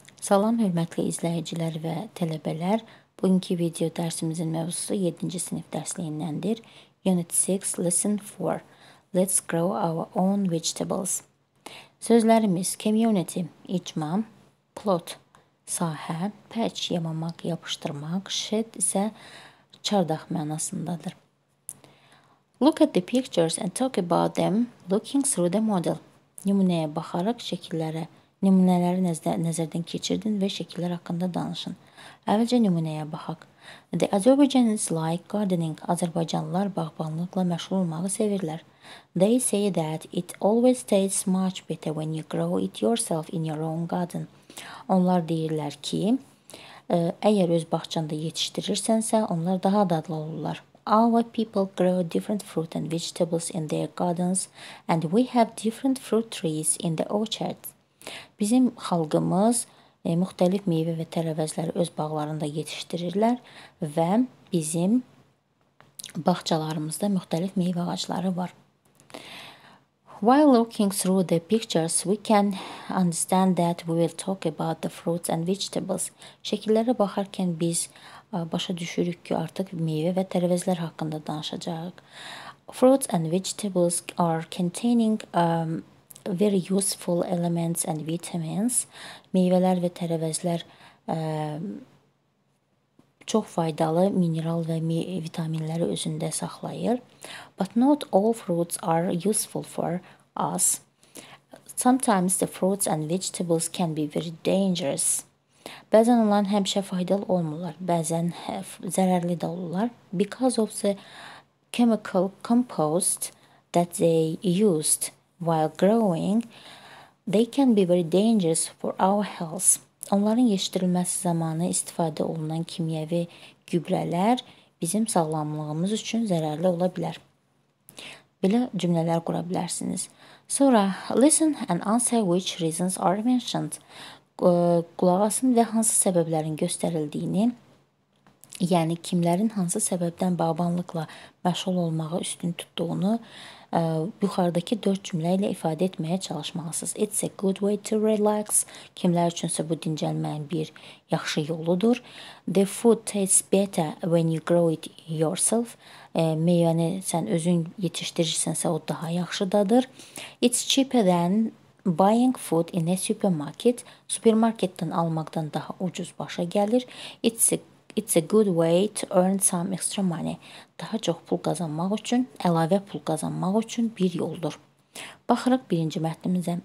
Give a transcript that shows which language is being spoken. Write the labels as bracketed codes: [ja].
[az] Salam hörmətli izləyicilər və tələbələr. Bugünkü video dərsimizin mövzusu 7-ci sinif dərsliyindəndir. [en] UNİT 6, Lesson 4. Let's grow our own vegetables. [az] Sözlərimiz community, icma, plot, sahə, patch, yamamaq, yapışdırmaq, shed isə çardaq mənasındadır. [en] Look at the pictures and talk about them looking through the model. [az] Nümunəyə baxaraq şəkillərə Nümunələri nəzərdən keçirdin və şəkillər haqqında danışın. Əvvəlcə nümunəyə baxaq. [en] The Azerbaijanis like gardening. [az] Azərbaycanlılar bağbanlıqla məşğul olmağı sevirlər. [en] They say that it always tastes much better when you grow it yourself in your own garden. [az] Onlar deyirlər ki, əgər öz bağçanda yetişdirirsənsə, onlar daha dadlı olurlar. [en] Our people grow different fruit and vegetables in their gardens and we have different fruit trees in the orchards. [az] Bizim xalqımız müxtəlif meyvə və tərəvəzləri öz bağlarında yetişdirirlər və bizim bağçalarımızda müxtəlif meyvə ağacları var. [en] While looking through the pictures, we can understand that we will talk about the fruits and vegetables. [az] Şəkillərə baxarkən biz başa düşürük ki, artıq meyvə və tərəvəzlər haqqında danışacağıq. [en] Fruits and vegetables are containing very useful elements and vitamins. [az] Meyvələr və tərəvəzlər çox faydalı mineral və vitaminləri özündə saxlayır. [en] But not all fruits are useful for us. Sometimes the fruits and vegetables can be very dangerous. [az] Bəzən onların həmişə faydalı olmurlar, bəzən zərərli də olurlar. [en] Because of the chemical compost that they used while growing, they can be very dangerous for our health. [az] Onların yetişdirilməsi zamanı istifadə olunan kimyəvi gübrələr bizim sağlamlığımız üçün zərərli ola bilər. Belə cümlələr qura bilərsiniz. Sonra, [en] listen and answer which reasons are mentioned. [az] Qulaq asın və hansı səbəblərin göstərildiyini, yəni kimlərin hansı səbəbdən bağbanlıqla məşğul olmağı üstün tutduğunu yuxarıdakı 4 cümlə ilə ifadə etməyə çalışmalısınız. [en] It's a good way to relax. [az] Kimlər üçünsə bu dincəlməyin bir yaxşı yoludur. [en] The food tastes better when you grow it yourself. [az] Meyvəni sən özün yetişdirirsənsə o daha yaxşı dadır. [en] It's cheaper than buying food in a supermarket. [az] Supermarketdən almaqdan daha ucuz başa gəlir. [en] It's a good way to earn some extra money. [az] Daha çox pul qazanmaq üçün, əlavə pul qazanmaq üçün bir yoldur. Baxırıq birinci mətnimizə.